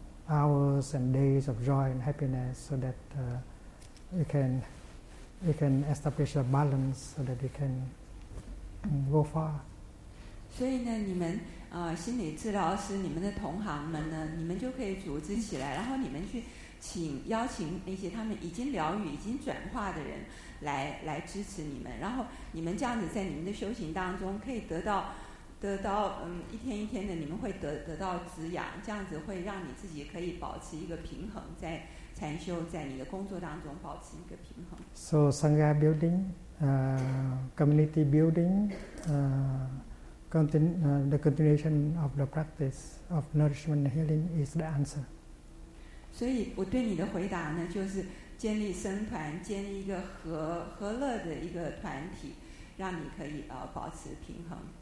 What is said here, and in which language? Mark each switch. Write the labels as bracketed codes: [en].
[en] hours and days of joy and happiness so that we can establish a balance so that we can go far. [zh] 所以呢，你们心理治疗师，你们的同行们呢，你们就可以组织起来，然后你们去请邀请那些他们已经疗愈、已经转化的人来支持你们，然后你们这样子在你们的修行当中可以得到一天一天的，你们会得到滋养，这样子会让你自己可以保持一个平衡，在禅修，在你的工作当中保持一个平衡。 [en] So sangha building, community building, the continuation of the practice of nourishment and healing is the answer. [zh] 所以我对你的回答呢，就是建立僧团，建立一个和乐的一个团体，让你可以保持平衡。